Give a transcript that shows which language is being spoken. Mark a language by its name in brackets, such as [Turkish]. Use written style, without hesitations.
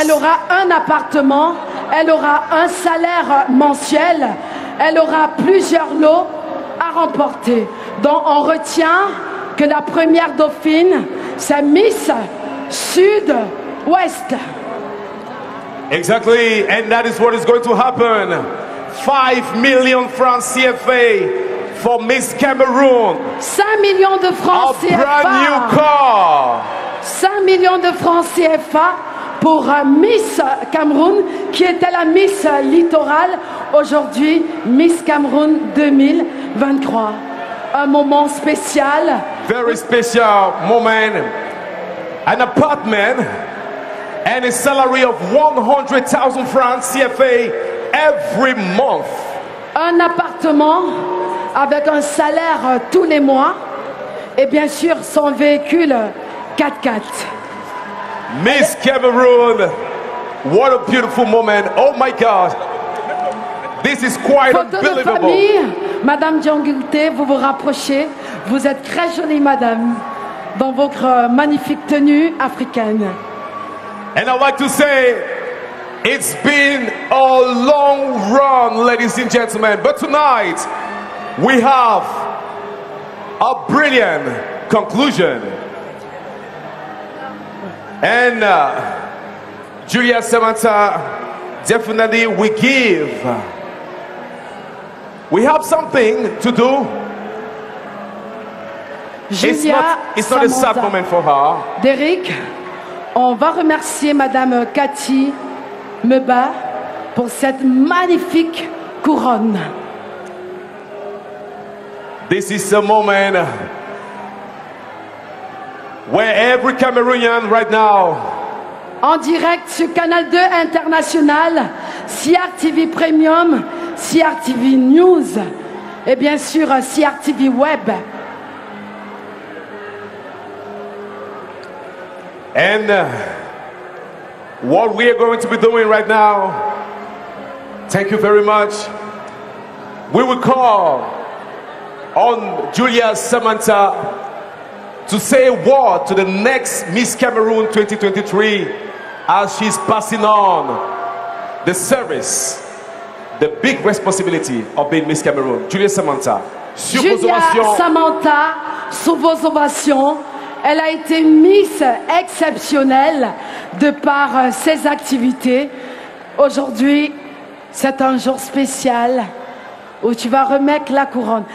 [French] Elle aura un appartement, elle aura un salaire mensuel, elle aura plusieurs lots à remporter. Donc on retient que la première dauphine, c'est Miss Sud-Ouest. [English] Exactly, and that is what is going to happen. 5 million francs CFA for Miss Cameroon. [French] 5 millions de francs CFA. [English] A brand new car. [French] 5 millions de francs CFA pour Miss Cameroun, qui était la Miss Littorale, aujourd'hui Miss Cameroun 2023. Un moment spécial. [English] Very special moment. An apartment and a salary of 100,000 francs CFA every month. [French] Un appartement avec un salaire tous les mois et bien sûr son véhicule 4x4. [English] Miss Cameroon, what a beautiful moment. Oh my God, this is quite [French] photo [English] unbelievable. [French] Photo de famille, Madame Diangulte, vous vous rapprochez. Vous êtes très jolie, madame, dans votre magnifique tenue africaine. [English] And I'd like to say, it's been a long run, ladies and gentlemen. But tonight, we have a brilliant conclusion. And Julia Samantha, definitely we give. We have something to do. Julia, it's not a sad moment for her. [French] Derek, on va remercier Madame Cathy Meba pour cette magnifique couronne. [English] This is a moment where every Cameroonian right now, [French] en direct sur Canal 2 International, CRTV Premium, CRTV News et bien sûr CRTV Web. [English] And what we are going to be doing right now, thank you very much. We will call on Julia Samantha to say a word to the next Miss Cameroon 2023 as she's passing on the service, the big responsibility of being Miss Cameroon. [French] Julia Samantha, sur Julia vos ovations. Samantha, sous vos ovations, elle a été Miss exceptionnelle de par ses activités. Aujourd'hui, c'est un jour spécial où tu vas remettre la couronne.